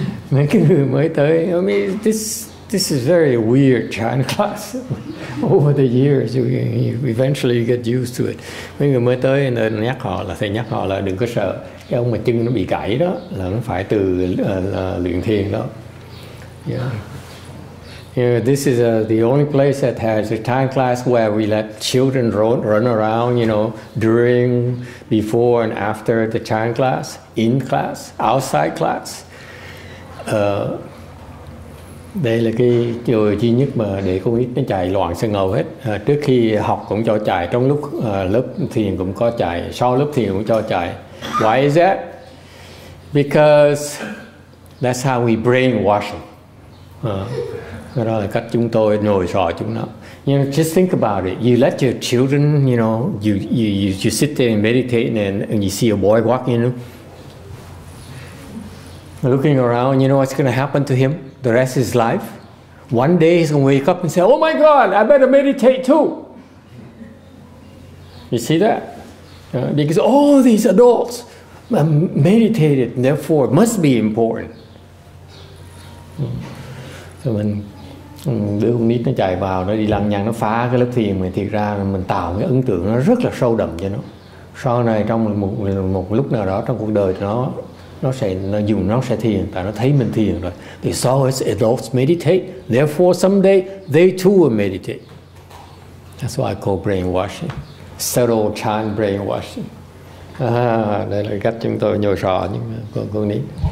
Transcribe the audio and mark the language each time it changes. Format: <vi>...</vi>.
<vi>Mấy cái người mới tới,</vi> <en>I mean, this is very weird China class. Over the years, you eventually get used to it.</en> <vi>Mấy người mới tới, nhắc họ là thầy nhắc họ là đừng có sợ. Cái ông mà chân nó bị gãy đó, là nó phải từ luyện thiền đó.</vi> <en>Yeah. You know, this is the only place that has a time class where we let children run around, you know, during, before and after the time class, in class, outside class.</en> <vi>Đây là cái điều duy nhất mà để con ít nó chạy loạn sân ngầu hết. Trước khi học cũng cho chạy, trong lúc lớp thiền cũng có chạy, sau lớp thiền cũng cho chạy.</vi> <en>Why is that? Because that's how we brainwash them.</en> <vi>Đó là cách chúng tôi nhồi sọ chúng nó.</vi> <en>You know, just think about it. You let your children, you know, you sit there and meditate and you see a boy walking in, looking around, you know what's going to happen to him the rest of his life? One day he's going to wake up and say, oh my God, I better meditate too. You see that? Because all these adults meditated, therefore must be important. So when</en> <vi>đứa con nít nó chạy vào, nó đi lăng nhăng, nó phá cái lớp thiền mình, thiệt ra mình tạo cái ấn tượng nó rất là sâu đậm cho nó. Sau này trong một lúc nào đó trong cuộc đời nó sẽ thiền, tại nó thấy mình thiền rồi.</vi> <en>They saw us adults meditate, therefore someday they too will meditate. That's why I call brainwashing, subtle child brainwashing.</en> <vi>Đây là cách chúng tôi nhồi sọ những con nít.</vi>